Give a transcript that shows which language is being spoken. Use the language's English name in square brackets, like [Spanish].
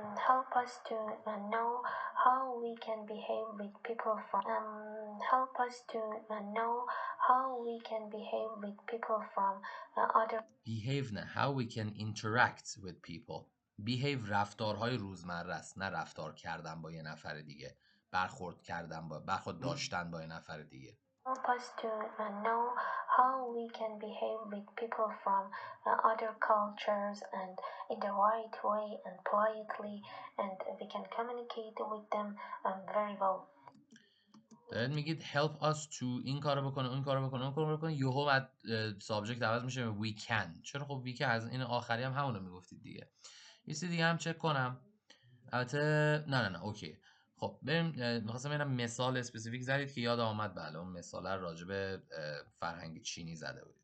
[English] help us to know how we can behave with people from help us to know how we can behave with people from other [Persian] behave نه [English] how we can interact with people [Persian] behave رفتارهای روزمره است نه رفتار کردن با یه نفر دیگه برخورد کردن با برخورد داشتن با یه نفر دیگه [English] help us to know how we can behave with people from other cultures and in the right way and politely and we can communicate with them very well. [Persian] دارید میگید help us to این کارو بکنه اون کارو بکنه اون کارو بکنه یوهو بعد سابجکت عوض میشه به we can. چرا خب we can از این آخری هم همونو میگفتید دیگه. یه سری دیگه هم چک کنم. البته نه نه نه اوکی. خب بریم می‌خواستم ببینم مثال اسپسیفیک زدید که یاد اومد بله اون مثال راجع به فرهنگ چینی زده بودید.